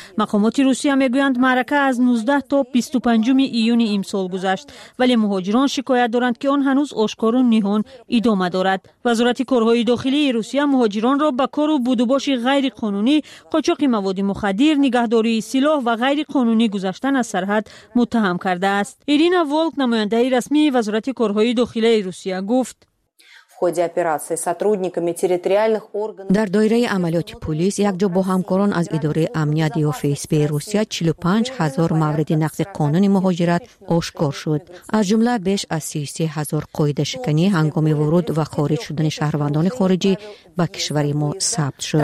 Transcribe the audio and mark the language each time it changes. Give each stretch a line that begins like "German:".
Persian: مقامات روسیه میگویند معرکه از 19 تا 25 ایون امسال گذشت، ولی مهاجران شکایت دارند که آن هنوز آشکار و نهان ادامه دارد. وزارت کارهای داخلی روسیه مهاجران را به کار و بودوباش غیر قانونی، قاچاق مواد مخدر، نگهداری سلاح و غیر قانونی گذشتن از سرحد متهم کرده است. ایرینا ولک نماینده رسمی وزارت کارهای داخلی روسیه گفت
Russian: ходе операции сотрудниками территориальных органов.
Tajik: Дар дойраи амалиёти полис як ҷо бо ҳамкорон аз идораи амнияти ФСБ Русия 45000 мавриди нақзи қонуни муҳоҷират ошкор шуд. Аз ҷумла беш аз 33000 қоидашикани ҳангоми вуруд ва хориҷ шудани шаҳрвандони хориҷӣ ба кишвари мо сабт шуд.